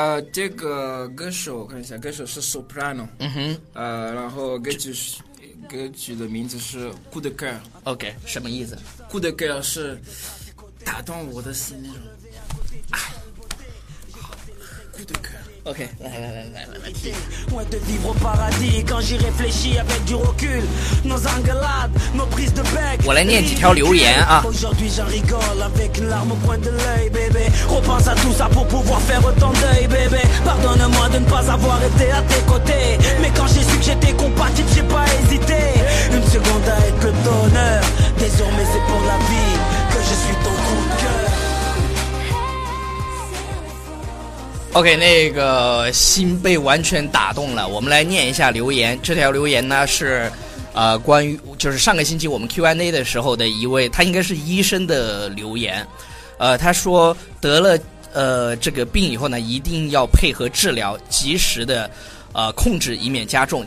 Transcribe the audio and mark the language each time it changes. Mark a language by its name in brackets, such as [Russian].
[Chinese] 这个歌手看一下，歌手是 soprano。嗯哼，然后歌曲的名字是 good girl。 OK， 什么意思？ good girl 是打动我的心那种，啊，good girl OK， 来。 [French] Loin de vivre au paradis, quand j'y réfléchis avec du recul, nos engueulades, nos prises de bec. [Chinese] 我来念几条留言啊。 [French] Aujourd'hui j'en rigole avec une larme au coin de l'œil, bébé. Repense à tout ça pour pouvoir faire autant d'œil, bébé. Pardonne-moi de ne pas avoir été à tes côtés, mais quand j'ai su que j'étais compatible, j'ai pas hésité. Une seconde à être le donneur. Désormais c'est pour la vie que je suis ton coup de cœur. [Chinese] OK， 那个心被完全打动了。我们来念一下留言。这条留言呢是，关于就是上个星期我们 Q&A 的时候的一位，他应该是医生的留言。他说得了这个病以后呢，一定要配合治疗，及时的控制，以免加重。